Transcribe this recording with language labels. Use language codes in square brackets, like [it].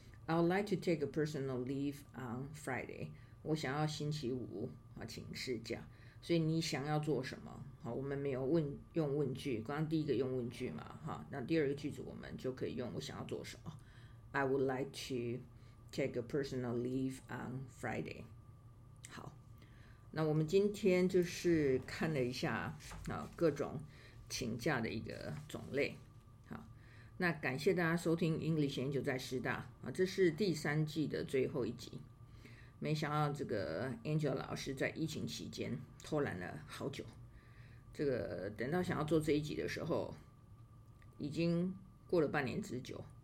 [en] I would like to take a personal leave on Friday. [zh] 我想要星期五请事假。所以你想要做什么？好，我们没有问用问句，刚刚第一个用问句嘛，那第二个句子我们就可以用我想要做什么。 I would like to take a personal leave on Friday. 好，那我们今天就是看了一下啊各种请假的一个种类。好，那感谢大家收听 English 研究在师大啊，这是第三季的最后一集。没想到这个 Angela 老师在疫情期间偷懒了好久，这个等到想要做这一集的时候，已经过了半年之久。